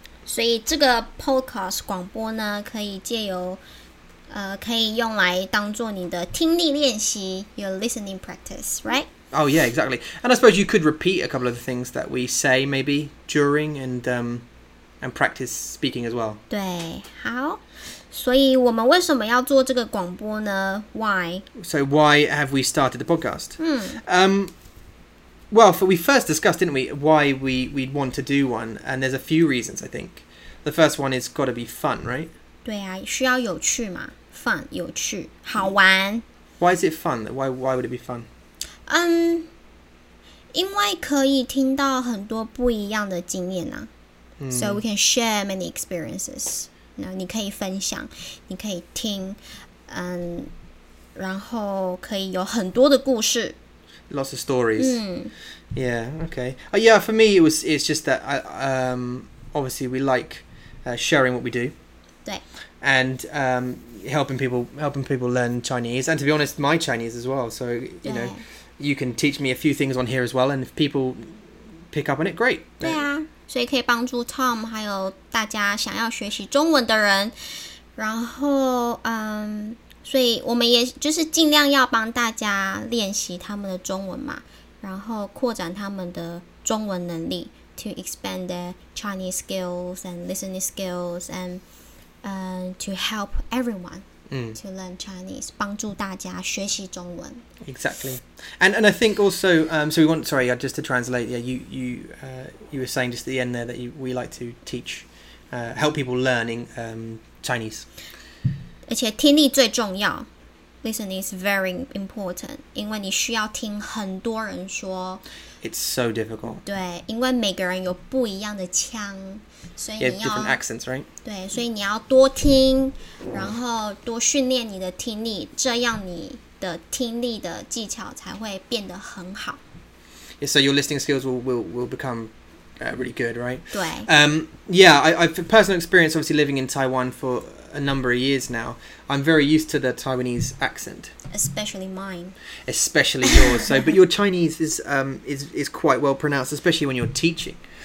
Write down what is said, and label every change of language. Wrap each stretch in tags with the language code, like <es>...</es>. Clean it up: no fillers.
<zh>所以这个 podcast 广播呢，可以借由，可以用来当做你的听力练习 ，</zh> <en>your listening practice, right? Oh yeah, exactly. And I suppose you could repeat a couple of the things that we say maybe during and practice speaking as well.</en> <zh>对，好。所以我们为什么要做这个广播呢 ？</zh> <en>Why? So why have we started the podcast? Hmm. Well, we first discussed, didn't we, why we'd want to do one, and there's a few reasons, I think. The first one is got to be fun, right?</en> <zh>对啊，需要有趣嘛 ，fun 有趣，好玩。</zh> <en>Why is it fun? Why would it be fun?</en> <zh>因为可以听到很多不一样的经验啊。</zh> <en>So we can share many experiences.</en> <zh>No, 你可以分享，你可以听，然后可以有很多的故事。</zh> <en>Lots of stories. Mm. Yeah, okay. Yeah, for me, it's just that I obviously we like sharing what we do.</en> <zh>对.</zh> <en>And helping people learn Chinese. And to be honest, my Chinese as well. So, you know, you can teach me a few things on here as well. And if people pick up on it, great.</en> <zh>对啊，所以可以帮助 Tom 还有大家想要学习中文的人。然后，所以我们也就是尽量要帮大家练习他们的中文嘛，然后扩展他们的中文能力 ，</zh> <en>to expand their Chinese skills and listening skills and to help everyone to learn Chinese，</en> <zh>帮助大家学习中文。</zh> <en>Exactly， and I think also so we want sorry just to translate yeah you were saying just at the end there that we like to teach help people learning Chinese。</en> <zh>而且听力最重要 ，</zh> <en>listening is very important，</en> <zh>因为你需要听很多人说。</zh> <en>It's so difficult。</en> <zh>对，因为每个人有不一样的腔，所以你要</zh> <en>different accents, right？</en> <zh>对，所以你要多听，然后多训练你的听力，这样你的听力的技巧才会变得很好。</zh> <en>Yeah, so your listening skills will become really good, right？</en> <zh>对。</zh> <en>I've personal experience, obviously living in Taiwan for. A number of years now, I'm very used to the Taiwanese accent, especially mine, especially yours. So, but your Chinese is quite well pronounced, especially when you're teaching.</en>